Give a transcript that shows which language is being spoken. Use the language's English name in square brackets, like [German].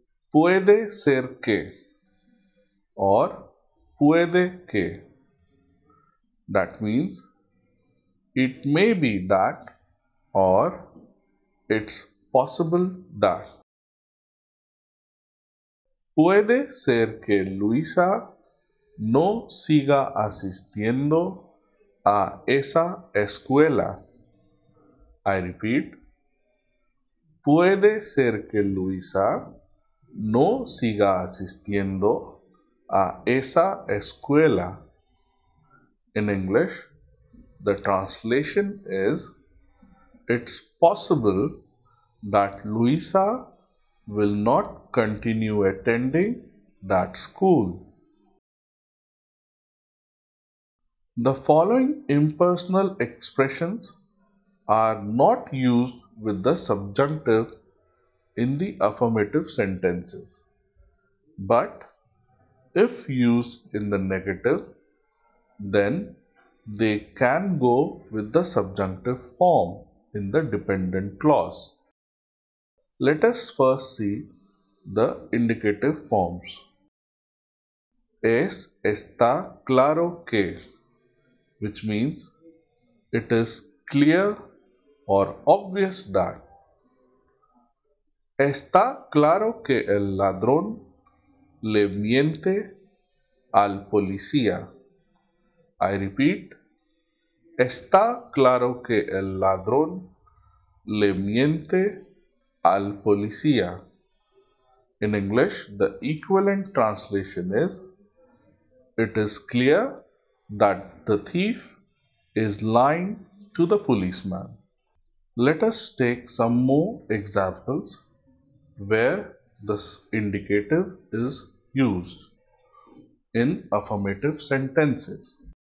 [Spanish] Puede ser que or puede que. [English] That means it may be that or it's possible dar. [Spanish] Puede ser que Luisa no siga asistiendo a esa escuela. [English] I repeat. [Spanish] Puede ser que Luisa no siga asistiendo a esa escuela. [English] In English, the translation is, it's possible that Luisa will not continue attending that school. The following impersonal expressions are not used with the subjunctive in the affirmative sentences, but if used in the negative, then they can go with the subjunctive form in the dependent clause. Let us first see the indicative forms. [Spanish] Es está claro que, [English] which means it is clear or obvious that. [Spanish] Está claro que el ladrón le miente al policía. [English] I repeat. [Spanish] Está claro que el ladrón le miente al policía. [English] In English, the equivalent translation is, it is clear that the thief is lying to the policeman. Let us take some more examples where this indicative is used in affirmative sentences.